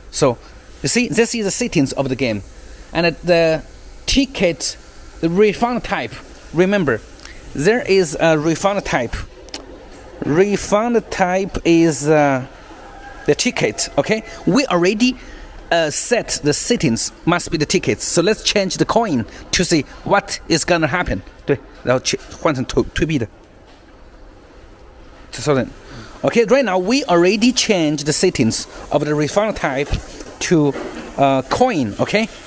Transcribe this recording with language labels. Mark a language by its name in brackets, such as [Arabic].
[English] So you see, this is the settings of the game, and the ticket, the refund type, remember there is a refund type is the ticket. Okay, we already set the settings must be the tickets, so let's change the coin to see what is gonna happen. [Chinese] 对，然后换成退币的，稍等。 [English] Okay, right now we already changed the settings of the refund type to coin, okay?